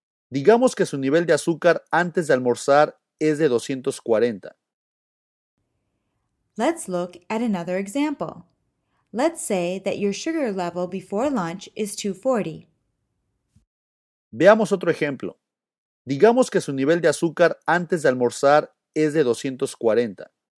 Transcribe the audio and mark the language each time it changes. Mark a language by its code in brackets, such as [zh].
[es] Digamos que su nivel de azúcar antes de almorzar es de 240. [en] Let's look at another example. Let's say that your sugar level before lunch is 240. [es] Veamos otro ejemplo. Digamos que su nivel de azúcar antes de almorzar es de 240.